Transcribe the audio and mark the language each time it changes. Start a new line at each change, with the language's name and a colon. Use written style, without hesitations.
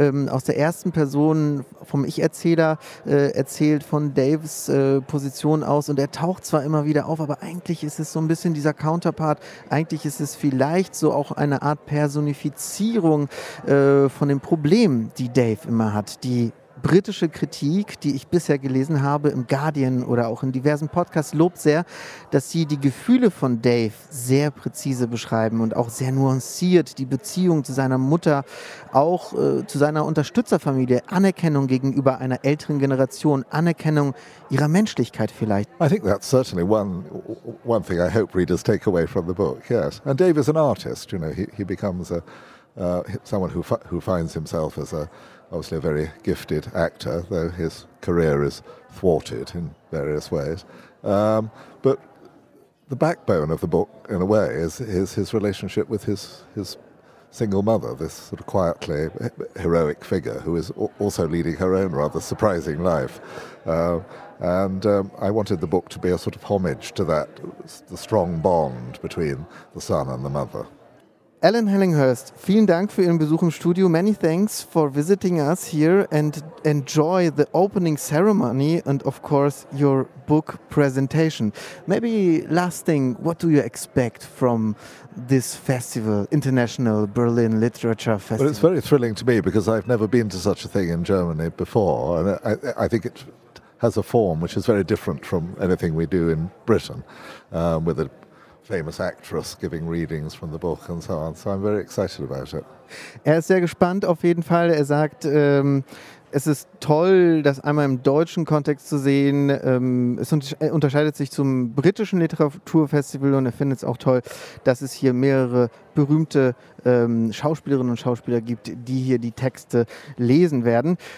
German: aus der ersten Person vom Ich-Erzähler erzählt von Daves Position aus und er taucht zwar immer wieder auf, aber eigentlich ist es so ein bisschen dieser Counterpart, eigentlich ist es vielleicht so auch eine Art Personifizierung von den Problemen, die Dave immer hat, die britische Kritik, die ich bisher gelesen habe im Guardian oder auch in diversen Podcasts, lobt sehr, dass sie die Gefühle von Dave sehr präzise beschreiben und auch sehr nuanciert die Beziehung zu seiner Mutter, auch zu seiner Unterstützerfamilie, Anerkennung gegenüber einer älteren Generation, Anerkennung ihrer Menschlichkeit vielleicht.
English: I think that's certainly one thing I hope readers take away from the book, yes. And Dave is an artist, you know, he becomes a someone who finds himself as a obviously a very gifted actor, though his career is thwarted in various ways. But the backbone of the book, in a way, is his relationship with his single mother, this sort of quietly heroic figure who is also leading her own rather surprising life. I wanted the book to be a sort of homage to that, the strong bond between the son and the mother.
German: Alan Hellinghurst, vielen Dank für Ihren Besuch im Studio.
English: Many thanks for visiting us here and enjoy the opening ceremony and, of course, your book presentation. Maybe last thing, what do you expect from this festival, International Berlin Literature Festival? Well, it's very thrilling to me because I've never been to such a thing in Germany before. And I think it has a form which is very different from anything we do in Britain with a famous actress giving readings from the book and so on. So I'm very excited about it.
German: Er ist sehr gespannt auf jeden Fall. Er sagt, es ist toll, das einmal im deutschen Kontext zu sehen. Es unterscheidet sich zum britischen Literaturfestival und er findet es auch toll, dass es hier mehrere berühmte Schauspielerinnen und Schauspieler gibt, die hier die Texte lesen werden.